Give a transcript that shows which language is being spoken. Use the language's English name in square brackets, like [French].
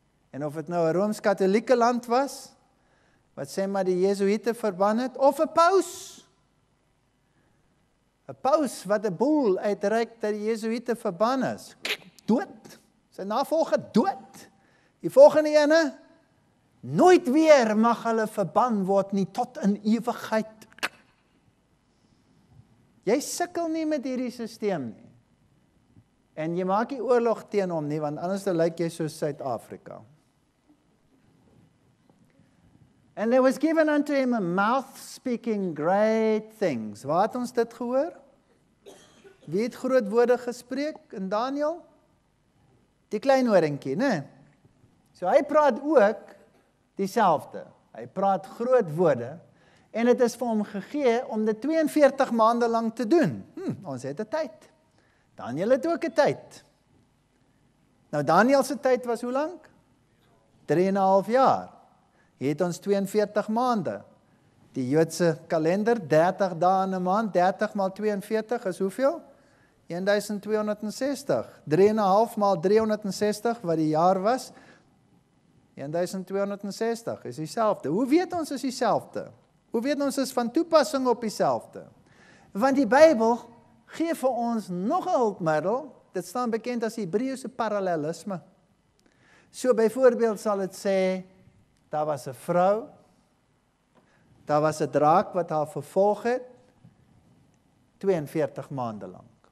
[Afrikaans] En of het nou een Rooms-Katholieke land was, wat sê maar die Jesuïte verban het, of een paus wat die boel uitreik dat die Jesuïte verban is, dood, sy navolge dood, die volgende ene, nooit weer mag hulle verban word nie, tot in ewigheid. Jy sukkel nie met hierdie systeem nie, en jy maak die oorlog teen hom nie, want anders dan lyk jy soos Suid-Afrika. [English] And there was given unto him a mouth speaking great things. [Afrikaans] Waar het ons dit gehoor? Wie het groot woorde gespreek in Daniel? Die klein oorinkie, ne? So hy praat ook dieselfde. Hy praat groot woorde. En het is vir hom gegee om dit 42 maande lang te doen. Ons het 'n tyd. Daniel het ook 'n tyd. Nou Daniel se tyd was hoe lank? 3,5 jaar. Het ons 42 maande. Die Joodse kalender, 30 dae in 'n maand, 30 maal 42 is hoeveel? 1260. 3,5 maal 360, wat die jaar was, 1260 is dieselfde. Hoe weet ons is dieselfde? Hoe weet ons is van toepassing op dieselfde? Want die Bybel gee vir ons nog 'n hulpmiddel, dit staan bekend as Hebreëse parallelisme. So byvoorbeeld sal het sê, daar was 'n vrou, daar was 'n draak wat haar vervolg het, 42 maande lang.